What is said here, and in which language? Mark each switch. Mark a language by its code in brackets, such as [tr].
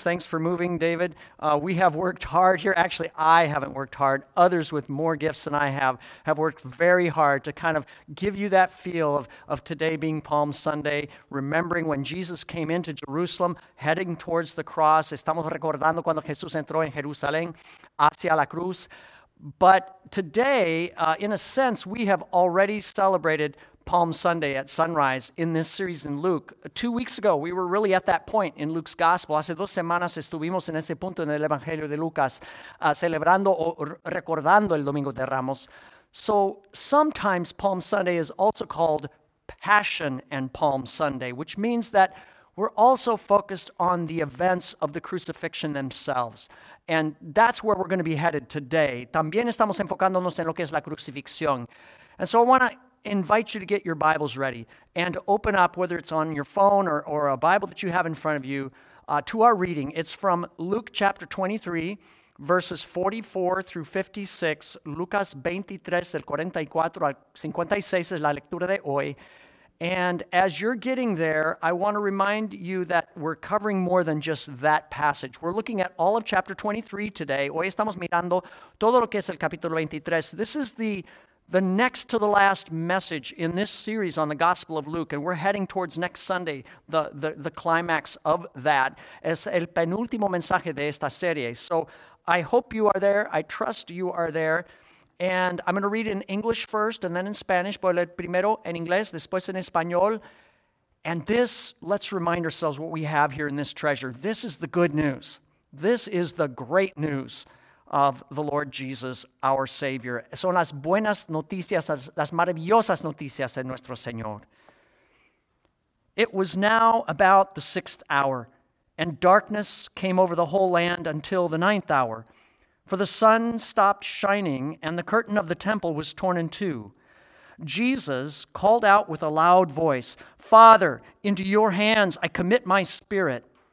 [en] Thanks for moving, David. We have worked hard here. Actually, I haven't worked hard. Others with more gifts than I have worked very hard to kind of give you that feel of today being Palm Sunday, remembering when Jesus came into Jerusalem, heading towards the cross. [es] Estamos recordando cuando Jesús entró en Jerusalén hacia la cruz. [en] But today, in a sense, we have already celebrated Palm Sunday at sunrise in this series in Luke. 2 weeks ago, we were really at that point in Luke's gospel. [es] Hace dos semanas estuvimos en ese punto en el Evangelio de Lucas, celebrando o recordando el Domingo de Ramos. [en] So sometimes Palm Sunday is also called Passion and Palm Sunday, which means that we're also focused on the events of the crucifixion themselves. And that's where we're going to be headed today. [es] También estamos enfocándonos en lo que es la crucifixión. [en] And so I want to invite you to get your Bibles ready and to open up, whether it's on your phone or a Bible that you have in front of you, to our reading. It's from Luke chapter 23, verses 44 through 56. [es] Lucas 23, del 44 al 56 es la lectura de hoy. [en] And as you're getting there, I want to remind you that we're covering more than just that passage. We're looking at all of chapter 23 today. [es] Hoy estamos mirando todo lo que es el capítulo 23. [en] This is the next to the last message in this series on the Gospel of Luke. And we're heading towards next Sunday, the climax of that. [es] Es el penúltimo mensaje de esta serie. [en] So I hope you are there. I trust you are there. And I'm going to read in English first and then in Spanish. [es] Voy a leer primero en inglés, después en español. [en] And this, let's remind ourselves what we have here in this treasure. This is the good news. This is the great news of the Lord Jesus, our Savior. [es] Son las buenas noticias, las maravillosas noticias de nuestro Señor. [en] It was now about the sixth hour, and darkness came over the whole land until the ninth hour. For the sun stopped shining, and the curtain of the temple was torn in two. Jesus called out with a loud voice, "Father, into your hands I commit my spirit."